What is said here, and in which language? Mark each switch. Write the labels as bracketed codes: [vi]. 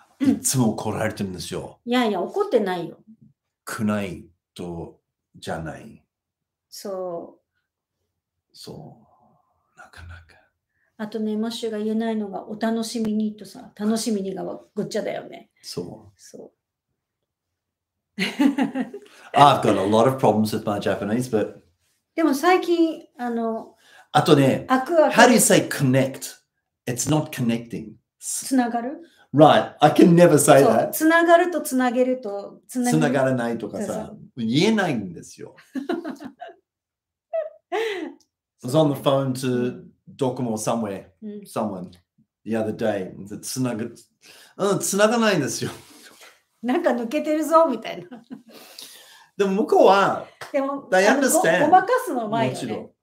[ja] いつも怒られてるんですよ。いやいや、怒ってないよ。くないとじゃない。そう。そう。なかなか。あとね、マッシュが言えないのが、お楽しみにとさ、楽しみにがごっちゃだよね。そう。そう。 [en] I've got a lot of problems with my Japanese, but... [ja] でも最近、あの、あとね、 [en] How do you say connect? It's not connecting. [ja] つながる [en] Right. I can never say that. [ja] つながるとつなげるとつなげる。つながらないとかさ、言えないんですよ。 [en] I was on the phone to Docomo somewhere, someone, the other day. [ja] つなぐ、つながないんですよ。なんか抜けてるぞ、みたいな。でも向こうは、でも、 [en] they understand. [ja] ごまかすの前よね。もちろん。